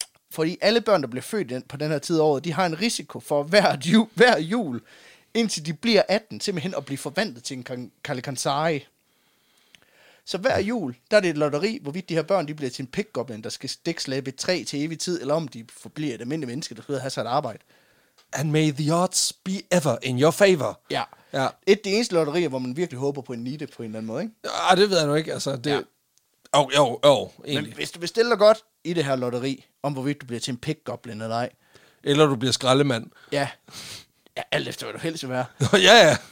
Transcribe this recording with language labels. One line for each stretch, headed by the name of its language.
Danish: Fordi alle børn, der bliver født på den her tid af året, de har en risiko for hver jul, indtil de bliver 18, simpelthen at blive forvandlet til en kalakansari. Så hver jul, der er det et lotteri, hvorvidt de her børn de bliver til en pickgoblin, der skal stikslæbe et træ til evig tid, eller om de forbliver et almindeligt menneske, der skal have sig et arbejde.
English: And may the odds be ever in your favor.
Danish: Ja. Ja. Et af de eneste lotterier, hvor man virkelig håber på en nitte på en eller anden måde, ikke? Ja, det ved jeg nu ikke, altså. Det... Ja. Jo, egentlig. Men hvis du bestiller godt i det her lotteri, om hvorvidt du bliver til en pickgoblin eller ej. Eller du bliver skraldemand. Ja. Ja, alt efter, hvad du helst vil være. Ja, ja.